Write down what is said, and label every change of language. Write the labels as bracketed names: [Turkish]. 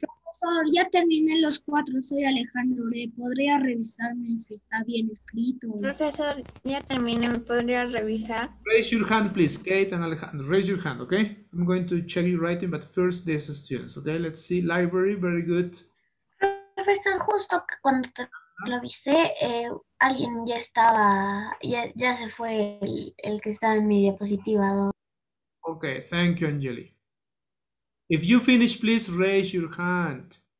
[Spanish] Profesor, ya terminé los cuatro, soy Alejandro Ure, ¿podría revisarme si está bien escrito? Profesor, ya terminé, ¿me podría revisar? [English] Raise your hand, please, Kate and Alejandro, raise your hand, okay? I'm going to check your writing, but first these students, okay? Let's see, library, very good. [Spanish] Profesor, justo cuando te lo avisé, alguien ya estaba, ya se fue el que estaba en mi diapositiva 2. [English] Okay, thank you, Angeli. If you finish, please raise your hand.